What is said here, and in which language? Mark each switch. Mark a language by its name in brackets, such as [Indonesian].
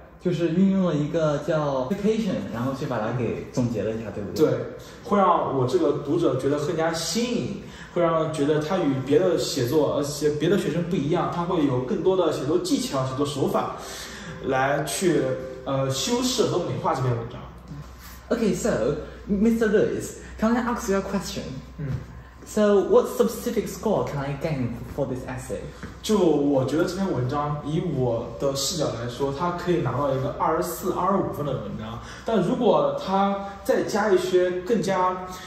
[Chinese] 就是运用了一个叫 application， 然后去把它给总结了一下，对不对？对，会让我这个读者觉得更加新颖，会让觉得他与别的写作，而且别的学生不一样，他会有更多的写作技巧、写作手法，来去修饰和美化这篇文章。 [English] Okay, so Mr. Lewis, can I ask you a question? So what specific score can I gain for this essay? [Chinese] 就我觉得这篇文章以我的视角来说，它可以拿到一个24-25分的文章，但如果它再加一些更加